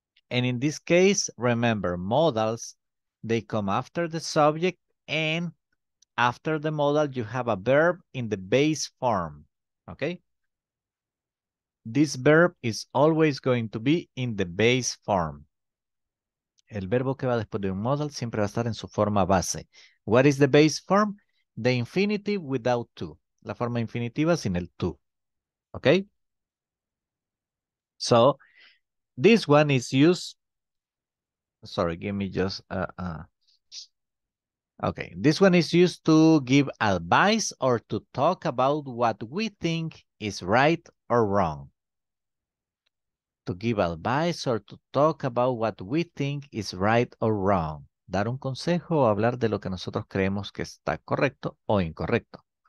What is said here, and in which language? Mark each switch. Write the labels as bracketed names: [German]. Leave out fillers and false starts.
[English] And in this case, remember, modals, they come after the subject, and after the modal, you have a verb in the base form, okay? This verb is always going to be in the base form. [Spanish] El verbo que va después de un modal siempre va a estar en su forma base. [English] What is the base form? The infinitive without to. [Spanish] La forma infinitiva sin el to. [English] Okay? So, this one is used. Sorry, give me just. Okay. This one is used to give advice or to talk about what we think is right or wrong. To give advice or to talk about what we think is right or wrong. [Spanish] Dar un consejo o hablar de lo que nosotros creemos que está correcto o incorrecto.